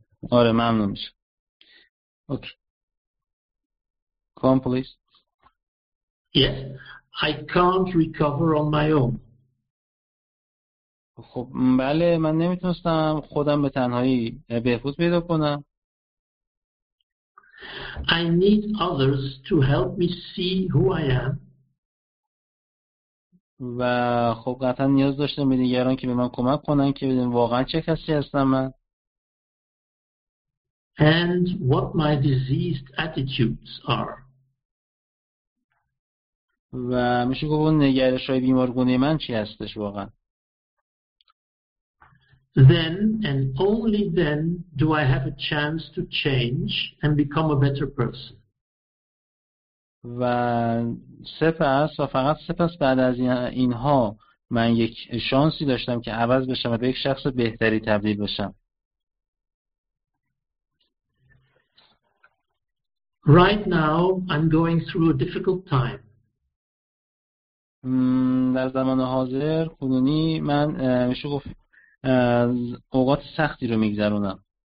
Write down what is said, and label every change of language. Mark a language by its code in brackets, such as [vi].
[fa] آره ممنون میشه. اوکی کام پلیس. [en] Yes, I can't recover on my own. [fa] خب بله، من نمیتونستم خودم به تنهایی بهبود پیدا کنم. [en] I need others to help me see who I am. [fa] و خب قطعا نیاز داشتم به دیگران که به من کمک کنن که ببینم واقعا چه کسی هستم من. [en] And what my diseased attitudes are. [fa] و میشه گفت نگرش‌های بیمارگونه من چی هستش واقعا. [en] Then and only then do I have a chance to change and become a better person. [fa] و سپس و فقط سپس بعد از اینها من یک شانسی داشتم که عوض بشم و به یک شخص بهتری تبدیل بشم. [en] Right now I'm going through a difficult time. [fa] در زمان حاضر کنونی من میشه گفت اوقات سختی رو میگذرونم.